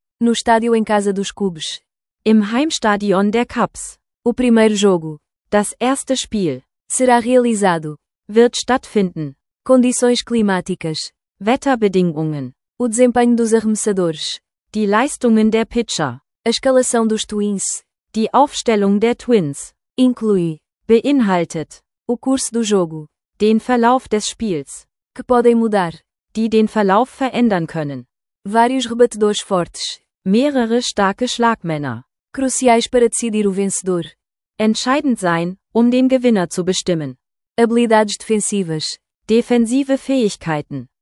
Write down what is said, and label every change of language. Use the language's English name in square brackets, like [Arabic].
[Portuguese] No estádio em casa dos Cubes. [German] Im Heimstadion der Cubs. [Portuguese] O primeiro jogo. [German] Das erste Spiel. [Portuguese] Será realizado. [German] Wird stattfinden. [Portuguese] Condições climáticas. [German] Wetterbedingungen. [Portuguese] O desempenho dos arremessadores. [German] Die Leistungen der Pitcher. [Portuguese] A escalação dos Twins. [German] Die Aufstellung der Twins. [Portuguese] Inclui. [German] Beinhaltet. [Portuguese] O curso do jogo. [German] Den Verlauf des Spiels. [Portuguese] Que podem mudar. [German] Die den Verlauf verändern können. [Portuguese] Vários rebatedores fortes. [German] Mehrere starke Schlagmänner. [Portuguese] Cruciais para decidir o vencedor. [German] Entscheidend sein, den Gewinner zu bestimmen. [Portuguese] Habilidades defensivas. [German] Defensive Fähigkeiten.